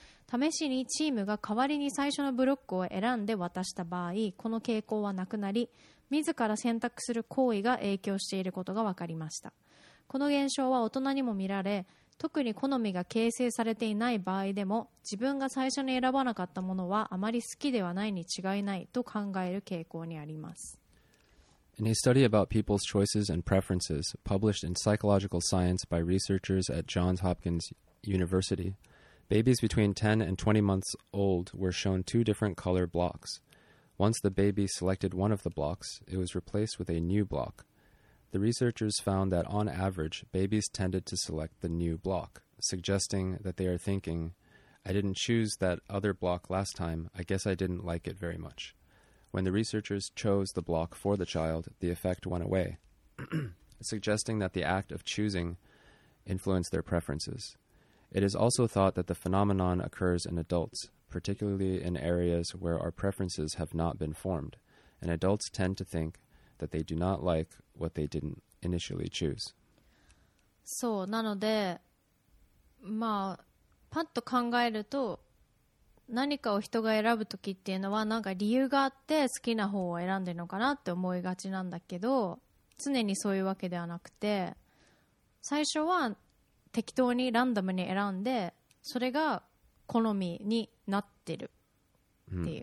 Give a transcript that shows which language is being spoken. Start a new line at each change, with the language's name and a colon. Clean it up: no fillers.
Japanese: 試しにチームが代わりに最初のブロックを選んで渡した場合、この傾向はなくなり、自ら選択する行為が影響していることが分かりました。この現象は大人にも見られ、特に好みが形成されていない場合でも、自分が最初に選ばなかったものはあまり好きではないに違いないと考える傾向にあります。
English: In a study about people's choices and preferences published in Psychological Science by researchers at Johns Hopkins University, babies between 10 and 20 months old were shown two different color blocks. Once the baby selected one of the blocks, it was replaced with a new block. The researchers found that on average, babies tended to select the new block, suggesting that they are thinking, "I didn't choose that other block last time, I guess I didn't like it very much." When the researchers chose the block for the child, the effect went away, suggesting that the act of choosing influenced their preferences. It is also thought that the phenomenon occurs in adults, particularly in areas where our preferences have not been formed, and adults tend to think that they do not like what they didn't initially choose.
Japanese: そう、なので、まあ、パッと考えると、何かを人が選ぶときっていうのは、なんか理由があって好きな方を選んでるのかなって思いがちなんだけど、常にそういうわけではなくて、最初は適当にランダムに選んで、それが好みになってるっていう。